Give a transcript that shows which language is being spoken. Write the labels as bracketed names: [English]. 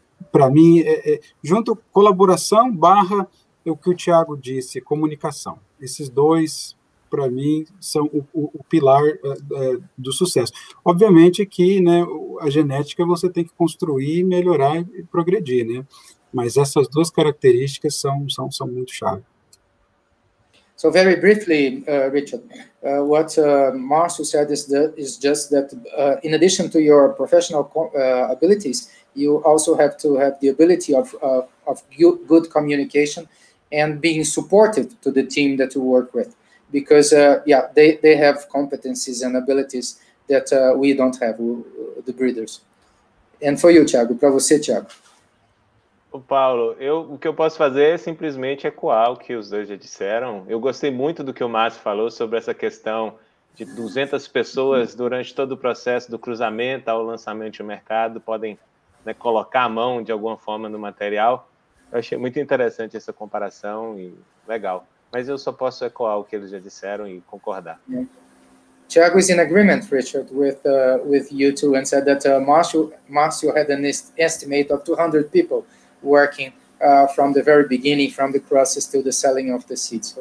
[Portuguese] Para mim, junto colaboração / o que o Thiago disse, comunicação. Esses dois, para mim, são o pilar do sucesso. Obviamente que, né, a genética você tem que construir, melhorar e progredir, né? Mas essas duas características são muito chave. [English] So very briefly, Richard, what Marcio said is just that in addition to your professional abilities, you also have to have the ability of good communication and being supportive to the team that you work with. Because, yeah, they have competencies and abilities that we don't have, the breeders. And for you, Thiago, [Portuguese] para você, [English] Thiago. [Portuguese] Ô Paulo, o que eu posso fazer é simplesmente ecoar o que os dois já disseram. Eu gostei muito do que o Márcio falou sobre essa questão de 200 pessoas durante todo o processo do cruzamento ao lançamento de mercado podem, né, colocar a mão de alguma forma no material. Eu achei muito interessante essa comparação e legal. Mas eu só posso ecoar o que eles já disseram e concordar. [English] Yeah. Thiago is in agreement, Richard, with you two, and said that Márcio had an estimate of 200 people working from the very beginning, from the crosses to the selling of the seeds.